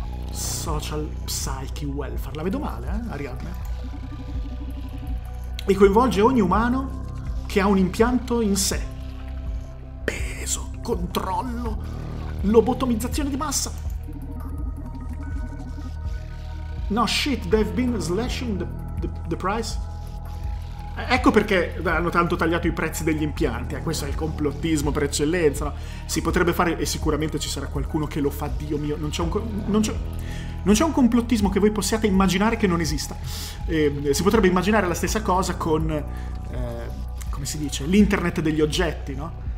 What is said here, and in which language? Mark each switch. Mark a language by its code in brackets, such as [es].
[it] Social Psyche Welfare. La vedo male, Ariadne. E coinvolge ogni umano che ha un impianto in sé. Peso, controllo, lobotomizzazione di massa. [en] No, shit, they've been slashing the price. [it] Ecco perché hanno tanto tagliato i prezzi degli impianti, questo è il complottismo per eccellenza, no? Si potrebbe fare, e sicuramente ci sarà qualcuno che lo fa, Dio mio, non c'è un complottismo che voi possiate immaginare che non esista. Si potrebbe immaginare la stessa cosa con, come si dice, l'internet degli oggetti, no?